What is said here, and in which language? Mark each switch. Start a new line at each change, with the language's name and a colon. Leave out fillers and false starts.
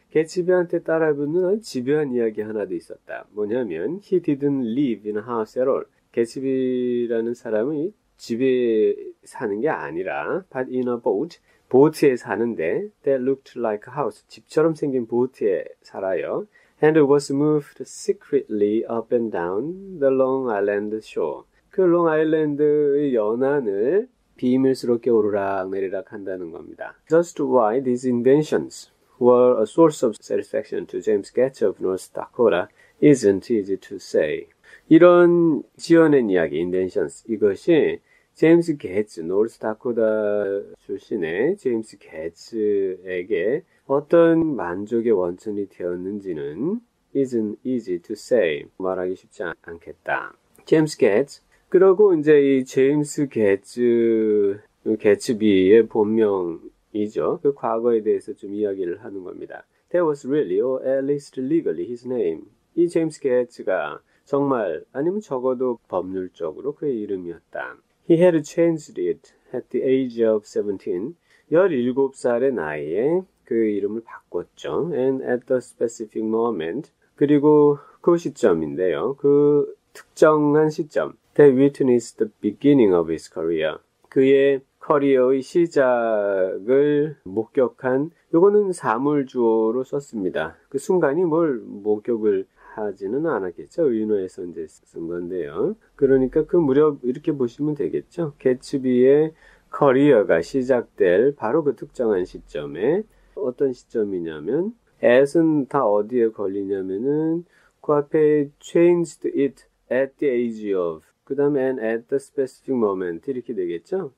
Korean: 개츠비한테 따라 붙는 집요한 이야기 하나도 있었다.
English: 뭐냐면, he didn't live in a house at all.
Korean: 개츠비라는 사람이 집에 사는 게 아니라,
English: but in a boat,
Korean: 보트에 사는데,
English: that looked like a house.
Korean: 집처럼 생긴 보트에 살아요.
English: And was moved secretly up and down the Long Island shore.
Korean: 그 Long Island의 연안을 비밀스럽게 오르락내리락 한다는 겁니다.
English: Just why these inventions were a source of satisfaction to James Gatch of North Dakota isn't easy to say.
Korean: 이런 지어낸 이야기, inventions, 이것이 제임스 게츠, 노스 다코다 출신의 제임스 게츠에게 어떤 만족의 원천이 되었는지는
English: isn't easy to say.
Korean: 말하기 쉽지 않겠다. 제임스 게츠. 그리고 이제 이 제임스 게츠, 게츠비의 본명이죠. 그 과거에 대해서 좀 이야기를 하는 겁니다.
English: That was really, or at least legally, his name.
Korean: 이 제임스 게츠가 정말, 아니면 적어도 법률적으로 그의 이름이었다.
English: He had changed it at the age of 17.
Korean: 17살의 나이에 그 이름을 바꿨죠.
English: And at the specific moment,
Korean: 그리고 그 시점인데요. 그 특정한 시점,
English: that witnessed the beginning of his career.
Korean: 그의 커리어의 시작을 목격한, 요거는 사물주어로 썼습니다. 그 순간이 뭘 목격을 하지는 않았겠죠. 의논에서 이제 쓴 건데요. 그러니까 그 무렵 이렇게 보시면 되겠죠. 개츠비의 커리어가 시작될 바로 그 특정한 시점에 어떤 시점이냐면 at은 다 어디에 걸리냐면은 그 앞에
English: changed it at the age of
Korean: 그 다음에
English: at the specific moment
Korean: 이렇게 되겠죠.